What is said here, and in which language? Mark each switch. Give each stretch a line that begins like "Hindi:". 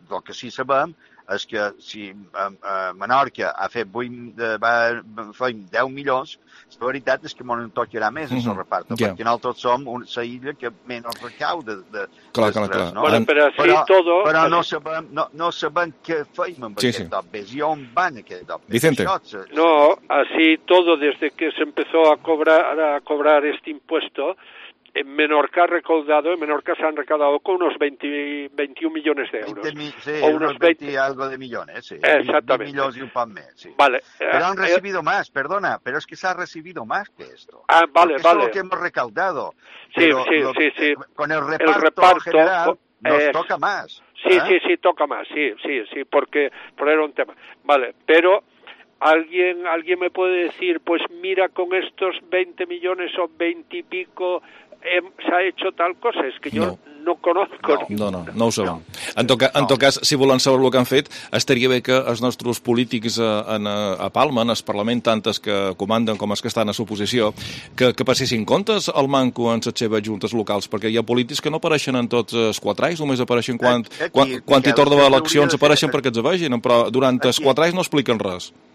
Catalan: El que sí sabem és que si Menorca ha fet 10 milions, la veritat és que no en tocarà més a la reparta, perquè nosaltres som la illa que menys recau de clar, les tres. No? Bueno, però no sabem què feim amb aquests dobbers i on van aquests dobbers. Vicente.
Spanish: No, así todo, desde que se empezó a cobrar este impuesto, en Menorca se han recaudado con unos 21 millones de euros. Algo de millones. Exactamente. 20 millones y un pan más, sí. Vale. Pero han recibido más, perdona, pero es que se ha recibido más que esto. Ah, vale, porque vale. Es lo que hemos recaudado. Sí. Con el reparto general nos toca más. Sí, toca más, porque era un tema. Vale, pero... ¿Alguien me puede decir, pues mira, con estos 20 millones o 20 y pico se ha hecho tal cosa? Es que yo no conozco.
Catalan: No ho sabem. En tot cas, si volen saber el que han fet, estaria bé que els nostres polítics a Palma, en el Parlament, tantes que comanden com els que estan a l'oposició, que passessin comptes al manco en les seves juntes locals, perquè hi ha polítics que no apareixen en tots els 4 anys, només apareixen quan hi torna eleccions, apareixen perquè ets vagin, però durant els 4 anys no expliquen res.